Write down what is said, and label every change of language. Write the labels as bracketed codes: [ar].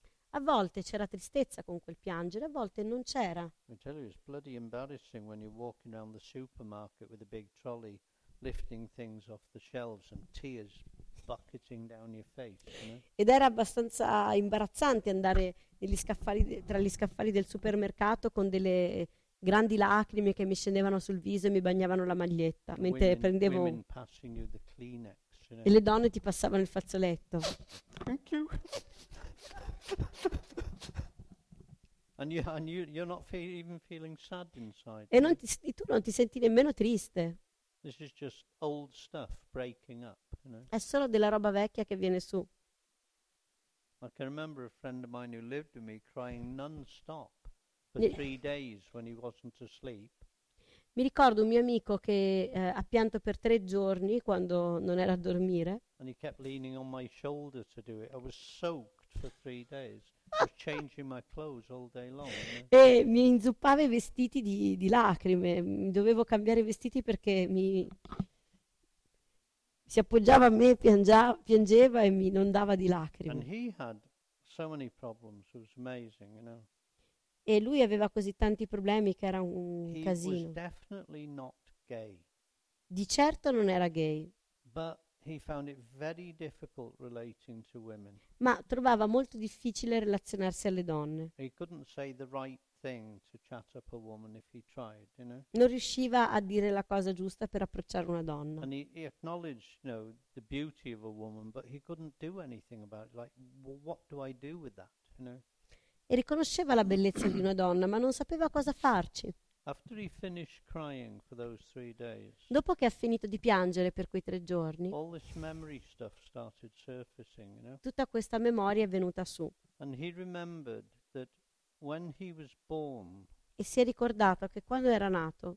[it] A volte c'era tristezza con quel piangere, a volte non c'era. [en] I tell you, it's bloody embarrassing when you're walking around the supermarket with a big trolley, lifting things off the shelves and tears bucketing down your face, you know? [it] Ed era abbastanza imbarazzante andare negli scaffali tra gli scaffali del supermercato con delle grandi lacrime che mi scendevano sul viso e mi bagnavano la maglietta mentre prendevo [en] Kleenex, you know? [it] E le donne ti passavano il fazzoletto. [en] Thank you. And you're not even feeling sad inside. [it] E non ti, tu non ti senti nemmeno triste. [en] This is just old stuff breaking up, you know? [it] È solo della roba vecchia che viene su. [en] I can remember a friend of mine who lived with me crying non-stop for three days when he wasn't asleep. [it] Mi ricordo un mio amico che ha pianto per tre giorni quando non era a dormire. [en] And he kept leaning on my shoulder to do it. I was soaked for three days. I was changing my clothes all day long. [it] E mi inzuppava i vestiti di lacrime. Dovevo cambiare i vestiti perché mi si appoggiava a me, piangeva e mi inondava di lacrime. [en] And he had so many problems. It was amazing, you know. [it] E lui aveva così tanti problemi che era un casino. [en] He was definitely not gay. [it] Di certo non era gay. [en] But he found it very difficult relating to women. [it] Ma trovava molto difficile relazionarsi alle donne. [en] He couldn't say the right thing to chat up a woman if he tried, you know? [it] Non riusciva a dire la cosa giusta per approcciare una donna. [en] And he acknowledged, you know, the beauty of a woman, but he couldn't do anything about it. Like, what do I do with that, you know? [it] E riconosceva la bellezza di una donna, ma non sapeva cosa farci. [en] After he finished crying for those three days, [it] dopo che ha finito di piangere per quei tre giorni, [en] all this memory stuff started surfacing, you know? [it] Tutta questa memoria è venuta su. [en] And he remembered that when he was born, [it] e si è ricordato che quando era nato,